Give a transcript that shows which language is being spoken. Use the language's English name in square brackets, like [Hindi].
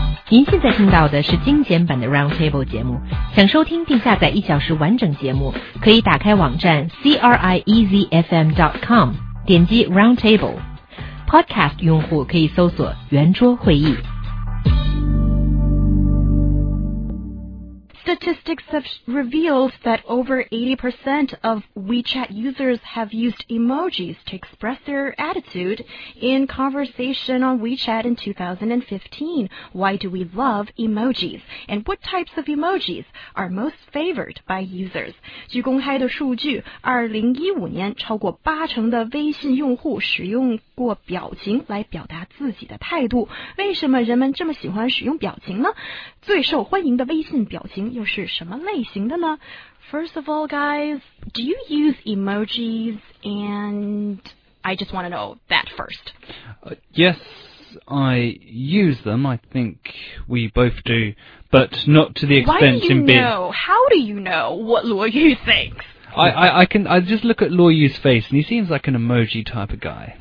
[Chinese] 您现在听到的是精简版的 Roundtable 节目，想收听并下载一小时完整节目，可以打开网站 CRIEZFM.com， 点击 Roundtable。 Podcast 用户可以搜索圆桌会议。 [English] Statistics have revealed that over 80% of WeChat users have used emojis to express their attitude in conversation on WeChat in 2015. Why do we love emojis? And what types of emojis are most favored by users? [Chinese] 据公开的数据，2015年超过八成的微信用户使用过表情来表达自己的态度。为什么人们这么喜欢使用表情呢？最受欢迎的微信表情又是什么类型的呢？ [English] First of all, guys, do you use emojis? And I just want to know that first. Yes, I use them. I think we both do, but not to the extent in being... Why do you know? How do you know what Luo Yu thinks? I just look at Luo Yu's face, and he seems like an emoji type of guy.